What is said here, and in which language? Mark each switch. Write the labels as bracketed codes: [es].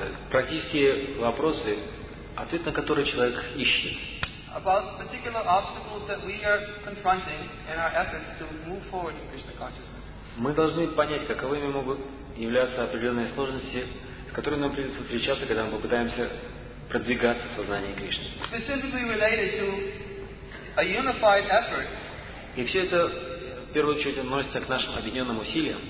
[ru] Практические вопросы, ответ на которые человек ищет. [en] About particular obstacles that we are confronting in our efforts to move forward in Krishna consciousness. [ru] Мы должны понять, каковыми могут являться определенные сложности, с которыми нам придется встречаться, когда мы попытаемся продвигаться в сознании Кришны. [en] Specifically related to a unified effort. [ru] И все это в первую очередь относится к нашим объединенным усилиям,